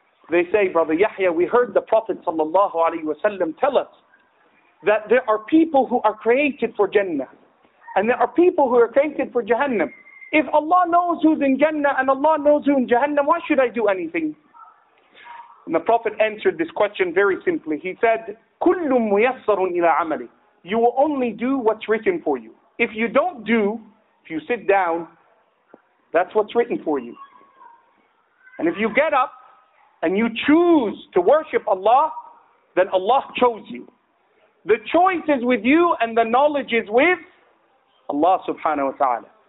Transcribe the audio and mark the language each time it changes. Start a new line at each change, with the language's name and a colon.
English: They say, Brother Yahya, we heard the Prophet sallallahu alaihi wasallam tell us that there are people who are created for Jannah, and there are people who are created for Jahannam. If Allah knows who's in Jannah and Allah knows who's in Jahannam, why should I do anything? And the Prophet answered this question very simply. He said,
Arabic: كُلُّ مُيَسَّرٌ إِلَىٰ عَمَلِ.
English: You will only do what's written for you. If you don't do, if you sit down, that's what's written for you. And if you get up and you choose to worship Allah, then Allah chose you. The choice is with you and the knowledge is with Allah subhanahu wa ta'ala.